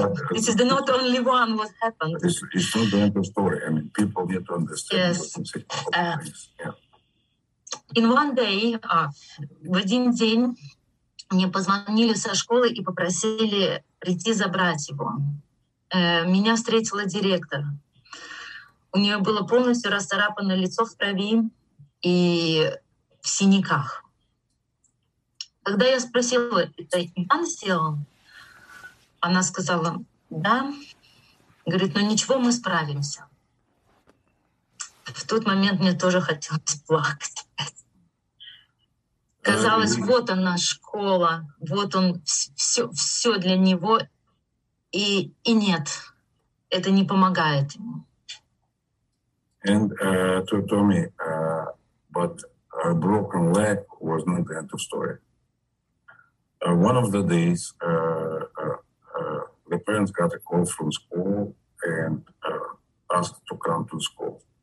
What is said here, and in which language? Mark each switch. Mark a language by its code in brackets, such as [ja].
[en] This is not the only one what happened. It's not the end of the story. I mean, people need to understand. Yes. In one day, [ru] в один день мне позвонили со школы и попросили прийти забрать его. Меня встретила директор. У нее было полностью расцарапано лицо в крови и в синяках. Когда я спросила, это Иван сделал, она сказала, да. Говорит, ничего, мы справимся. В тот момент мне тоже хотелось плакать. Казалось, вот она школа, вот он, все для него. И нет, это не помогает ему. [en] And to Tommy, but a broken leg was not the end of story. One of the days, the parents got a call from school and asked to come to school.